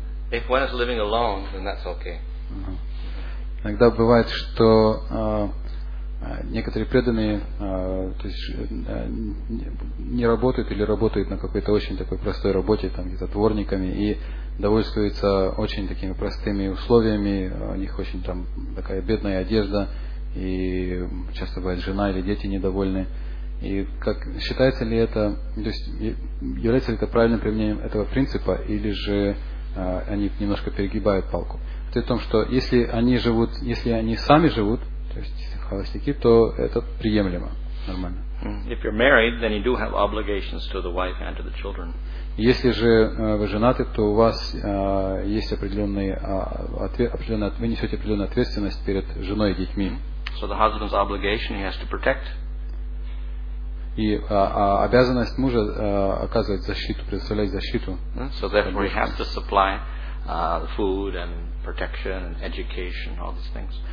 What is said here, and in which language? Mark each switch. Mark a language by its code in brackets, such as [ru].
[en] If one is living alone, then that's okay. [ru] Иногда бывает, что некоторые преданные то есть, не работают или работают на какой-то очень такой простой работе, там где-то дворниками, и довольствуются очень такими простыми условиями. У них очень там такая бедная одежда, и часто бывает жена или дети недовольны. И как считается ли это, то есть является ли это правильным применением этого принципа, или же они немножко перегибают палку. Это в том, что если они живут, если они сами живут, то есть холостяки, то это приемлемо, нормально. [en] If you're married, then you do have obligations to the wife and to the children. [ru] Если же вы женаты, то у вас есть определенные вы несете определенную ответственность перед женой и детьми. [en] So the husband's obligation, he has to protect. [ru] И обязанность мужа оказывать защиту, предоставлять защиту. [en] So therefore he has to supply food and protection and education, all these things.